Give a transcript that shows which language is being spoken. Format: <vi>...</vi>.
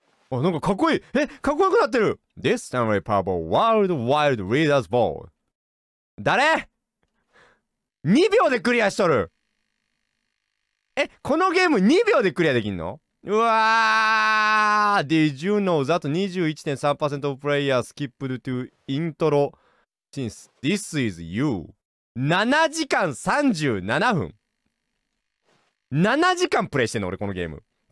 <ja>あ、あ、なんかかっこいい。え、かっこよくなってる。</ja> <en>This Stanley Parable Wild Wild Reader's Ball。</en> <ja>誰？ 2 秒でクリアしとる。え、このゲーム2秒でクリアできんの？うわあ、</ja> <en>Did you know that 21.3% of players skipped to intro since this is you?</en> <ja>7時間37分。 7時間プレイしてんの俺このゲーム。</ja>